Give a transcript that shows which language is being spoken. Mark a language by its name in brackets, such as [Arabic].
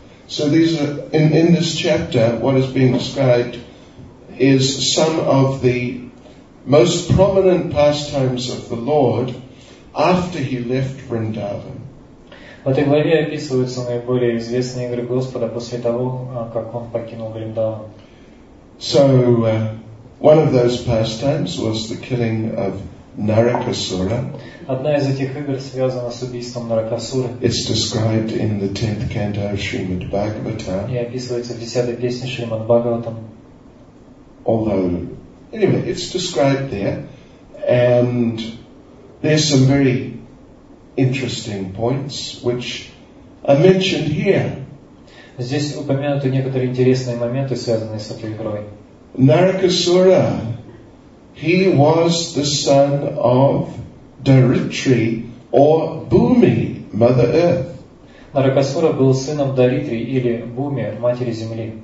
[English] So these are, in this chapter, what is being described is some of the most prominent pastimes of the Lord after he left Vrindavan. [Russian] В этой главе описываются наиболее известные игры Господа после того, как он покинул Вриндаван. [English] So one of those pastimes was the killing of Narakasura. [Russian] Одна из этих игр связана с убийством Наракасуры. [English] It's described in the 10th canto of Srimad Bhagavatam. [Russian] И описывается в 10-й песне Шримад Бхагаватам. [English] Although, anyway, it's described there, and There's some very interesting points which are mentioned here. [Russian] Здесь упомянуты некоторые интересные моменты, связанные с этой игрой. [English] Narakasura, he was the son of Daritri or Bhumi, Mother Earth. [Russian] Narakasura был сыном Даритри или Бхуми, матери земли.